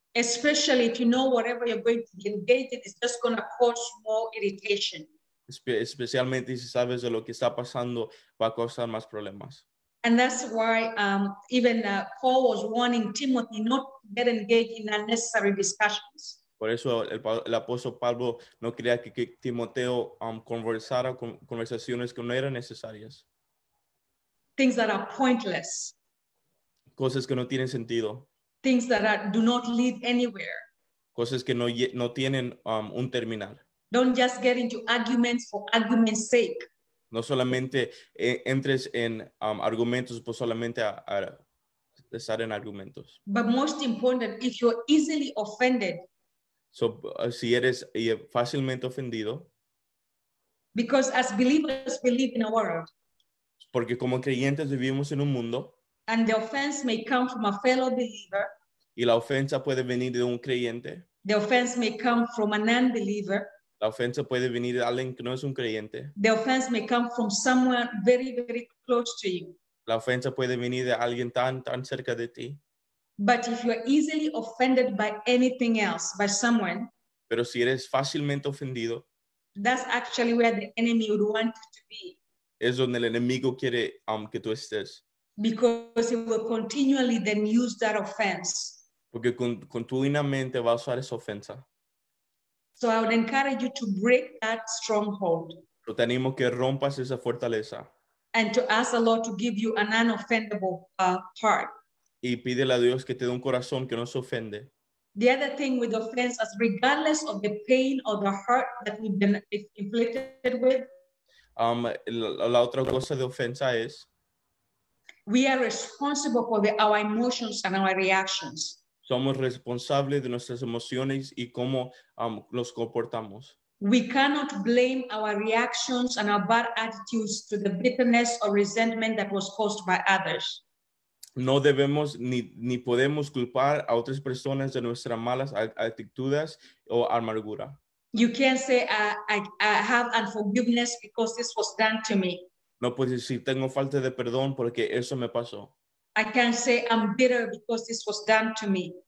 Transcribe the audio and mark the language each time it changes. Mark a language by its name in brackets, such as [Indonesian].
[English] Especially if you know whatever you're going to be engaged in is just going to cause more irritation. [Spanish] Especialmente si sabes de lo que está pasando, va a causar más problemas. [English] And that's why even Paul was warning Timothy not to get engaged in unnecessary discussions. [Spanish] Por eso el apóstol Pablo no quería que Timoteo conversara con conversaciones que no eran necesarias. [English] Things that are pointless. [Spanish] Cosas que no tienen sentido. [English] Things that do not lead anywhere. [Spanish] Cosas que no tienen un terminal. [English] Don't just get into arguments for argument's sake. [Spanish] No solamente entres en argumentos, pues solamente a estar en argumentos. [English] But most important, if you're easily offended. [Spanish] So, si eres fácilmente ofendido. [English] Because as believers, we live in a world. [Spanish] Porque como creyentes vivimos en un mundo. [English] And the offense may come from a fellow believer. [Spanish] Y la ofensa puede venir de un creyente. [English] The offense may come from an unbeliever. [Spanish] La ofensa puede venir de alguien que no es un creyente. [English] The offense may come from someone very, very close to you. [Spanish] La ofensa puede venir de alguien tan, tan cerca de ti. [English] But if you are easily offended by anything else, by someone. [Spanish] Pero si eres fácilmente ofendido. [English] That's actually where the enemy would want you to be. [Spanish] Es donde el enemigo quiere que tú estés. [English] Because he will continually then use that offense. [Spanish] Porque continuamente va a usar esa ofensa. [English] So I would encourage you to break that stronghold. [Spanish] Pero te animo que rompas esa fortaleza. [English] And to ask the Lord to give you an unoffendable heart. [Spanish] Y pídele a Dios que te dé un corazón que no se ofende. [English] The other thing with offense is regardless of the pain or the hurt that we've been inflicted with. [Spanish] La otra cosa de ofensa es. [English] We are responsible for our emotions and our reactions. [Spanish] Somos responsables de nuestras emociones y cómo los comportamos. [English] We cannot blame our reactions and our bad attitudes to the bitterness or resentment that was caused by others. [Spanish] No debemos ni podemos culpar a otras personas de nuestras malas actitudes o amargura. [English] You can't say I have unforgiveness because this was done to me. [Spanish] No puedes decir tengo falta de perdón porque eso me pasó. [English] I can't say I'm bitter because this was done to me.